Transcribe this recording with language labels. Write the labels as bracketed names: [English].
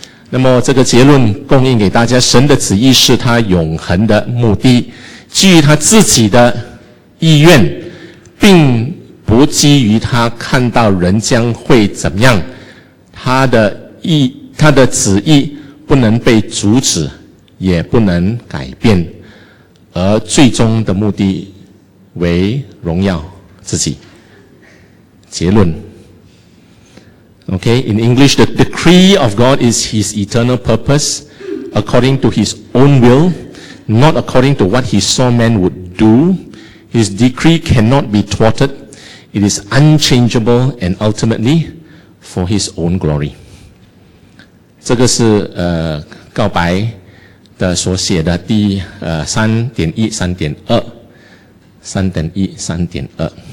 [Chinese] 那么这个结论供应给大家，神的旨意是他永恒的目的，基于他自己的意愿，并不基于他看到人将会怎么样，他的旨意不能被阻止，也不能改变，而最终的目的为荣耀自己。结论。 [English] Okay, in English, the decree of God is His eternal purpose according to His own will, not according to what He saw men would do. His decree cannot be thwarted. It is unchangeable and ultimately for His own glory. [Chinese] 这个是告白的所写的第3.1, 3.2.